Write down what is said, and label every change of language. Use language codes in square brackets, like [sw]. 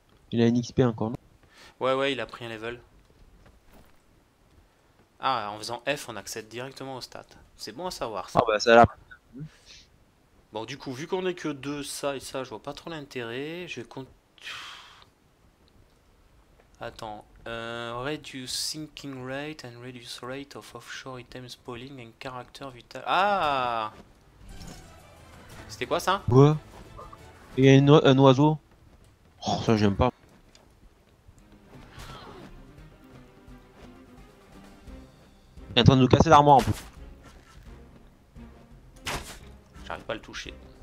[fr] Il a une XP encore, non? Ouais, il a pris un level. Ah, en faisant F, on accède directement au stat. C'est bon à savoir Oh ça. bah ça a l'air. Bon, du coup, vu qu'on est que deux, ça et ça, je vois pas trop l'intérêt. Je vais continuer. Attends. [en] Reduce sinking rate and reduce rate of offshore items spawning and character vital. [fr] Ah! C'était quoi ça? Ouais. Il y a un oiseau. Oh, ça j'aime pas. est en train de nous casser l'armoire en plus. J'arrive pas à le toucher.